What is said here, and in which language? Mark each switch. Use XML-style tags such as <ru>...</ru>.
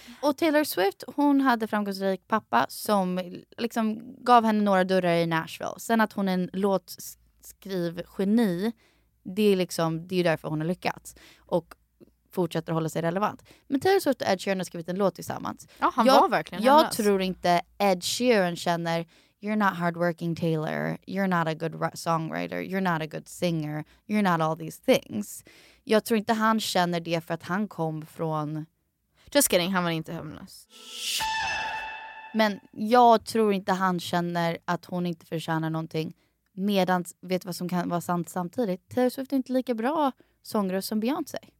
<sv>Och Taylor Swift, hon hade framgångsrik pappa som liksom gav henne några dörrar i Nashville. Sen att hon är en låtskrivgeni, det är liksom, det är därför hon har lyckats. Och fortsätter hålla sig relevant. Men Taylor Swift och Ed Sheeran har skrivit en låt tillsammans. Ja, han var verkligen hennes. Jag tror inte Ed Sheeran känner,</sv> <en>you're not hardworking Taylor, you're not a good songwriter, you're not a good singer, you're not all these things.</en> <sv>Jag tror inte han känner det för att han kom från...</sv> <en>Just kidding,</en> <sv>han var inte hemlös. Men jag tror inte han känner att hon inte förtjänar någonting. Medan, vet vad som kan vara sant samtidigt? Taylor Swift är inte lika bra sångröst som Beyoncé.</sv>